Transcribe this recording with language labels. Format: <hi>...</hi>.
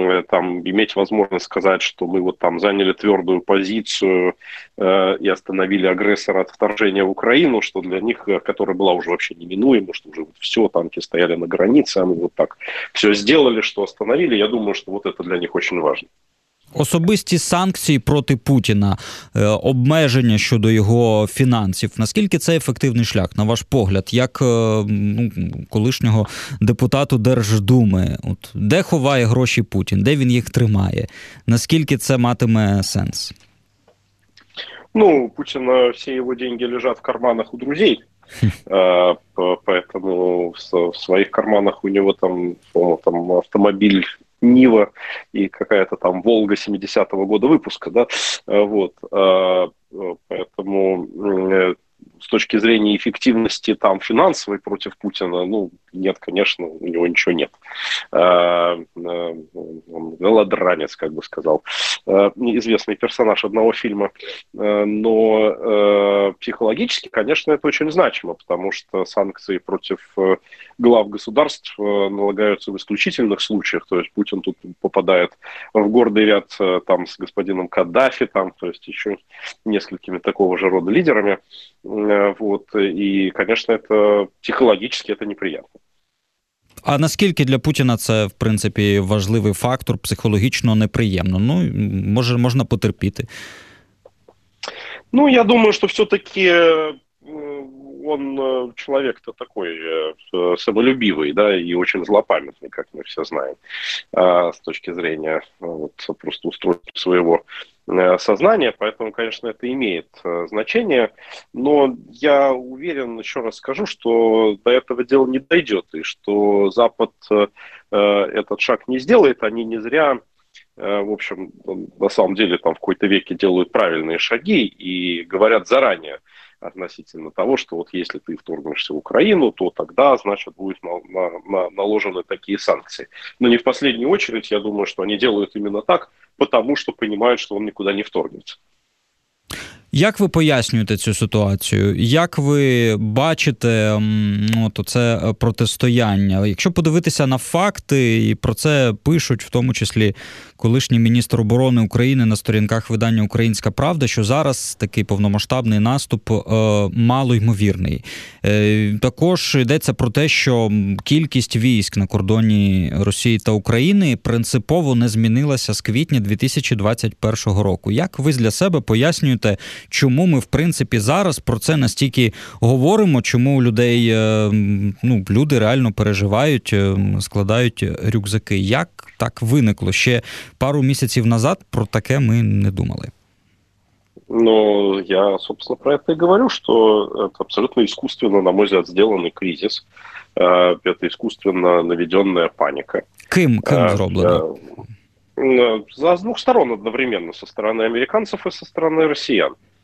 <ru>там иметь возможность сказать, что мы вот там заняли твердую позицию и остановили агрессора от вторжения в Украину, что для них, которая была уже вообще неминуема, что уже вот все, танки стояли на границе, а мы вот так все сделали, что остановили, я думаю, что вот это для них очень важно.</ru> <uk>Особисті санкції проти Путіна, обмеження щодо його фінансів. Наскільки це ефективний шлях, на ваш погляд, як колишнього депутату Держдуми? От, де ховає гроші Путін? Де він їх тримає? Наскільки це матиме сенс? Ну, у Путіна всі його гроші лежать в карманах у друзів.</uk> <ru>Поэтому</ru> <uk>в своїх карманах у нього</uk> <ru>там автомобіль Нива и какая-то там Волга 70-го года выпуска, да, вот, поэтому с точки зрения эффективности там финансовой против Путина, ну, нет, конечно, у него ничего нет, он голодранец, как бы сказал, известный персонаж одного фильма, но психологически, конечно, это очень значимо, потому что санкции против глав государств налагаются в исключительных случаях, то есть Путин тут попадает в гордый ряд там с господином Каддафи, там, то есть еще несколькими такого же рода лидерами, вот, и, конечно, это психологически это неприятно.</ru> <uk>А наскільки для Путіна це, в принципі, важливий фактор, психологічно неприємно? Ну, може, можна потерпіти. Ну, я думаю, що все-таки він чоловік-то такий самолюбивий, да, і дуже злопам'ятний, як ми всі знаємо, з точки зрення</uk> <ru>просто устройства свого сознания, поэтому, конечно, это имеет значение, но я уверен, еще раз скажу, что до этого дела не дойдет, и что Запад этот шаг не сделает, они не зря, в общем, на самом деле, там в какой-то веке делают правильные шаги и говорят заранее относительно того, что вот если ты вторгнешься в Украину, то тогда, значит, будут наложены такие санкции. Но не в последнюю очередь, я думаю, что они делают именно так, потому что понимают, что он никуда не вторгнется.</ru> <uk>Як ви пояснюєте цю ситуацію? Як ви бачите це протистояння? Якщо подивитися на факти, і про це пишуть, в тому числі колишній міністр оборони України на сторінках видання «Українська правда», що зараз такий повномасштабний наступ мало ймовірний. Також йдеться про те, що кількість військ на кордоні Росії та України принципово не змінилася з квітня 2021 року. Як ви для себе пояснюєте, чому ми, в принципі, зараз про це настільки говоримо, чому людей, ну, люди реально переживають, складають рюкзаки. Як так виникло? Ще пару місяців назад про таке ми не думали.</uk> <ru>Ну, я, собственно, про это и говорю, что это абсолютно искусственно, на мой взгляд, сделанный кризис. Это искусственно наведенная паника.</ru> <uk>Кем зроблено?</uk> <ru>За с двух сторон одновременно, со стороны американцев и со стороны россиян.</ru>